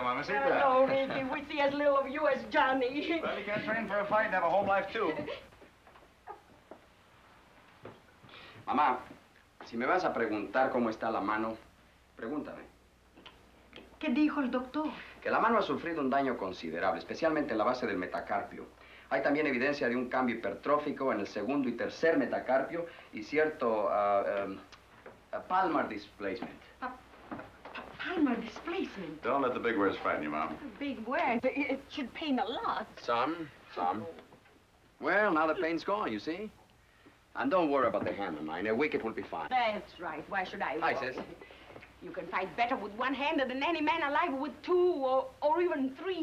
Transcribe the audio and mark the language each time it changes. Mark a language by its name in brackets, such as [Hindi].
[English] No, Ricky, we see as little of you as Johnny. Well, you can't train for a fight and have a home life, too. [Spanish] Mamá, si me vas a preguntar cómo está la mano, pregúntame. ¿Qué dijo el doctor? Que la mano ha sufrido un daño considerable, especialmente en la base del metacarpio. Hay también evidencia de un cambio hipertrófico en el segundo y tercer metacarpio y cierto palmar displacement. [English] Palmar displacement? Don't let the big words frighten you, Mom. Big words? It should pain a lot. Some. Oh. Well, now the pain's gone, you see? And don't worry about the hand of mine. A week it will be fine. That's right. Why should I worry? Hi, sis. You can fight better with one hand than any man alive with two or even three.